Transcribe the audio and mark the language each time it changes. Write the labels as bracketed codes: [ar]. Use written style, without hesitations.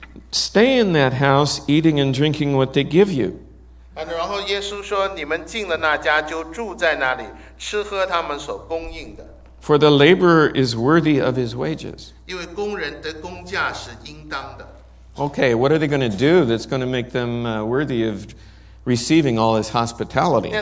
[en] Stay in that house, eating and drinking what they give you. [zh] 然后耶稣说,你们进了那家就住在那里,吃喝他们所供应的。 [en] For the laborer is worthy of his wages. [zh] 因为工人的工价是应当的。 [en] Okay, what are they going to do that's going to make them worthy of receiving all his hospitality?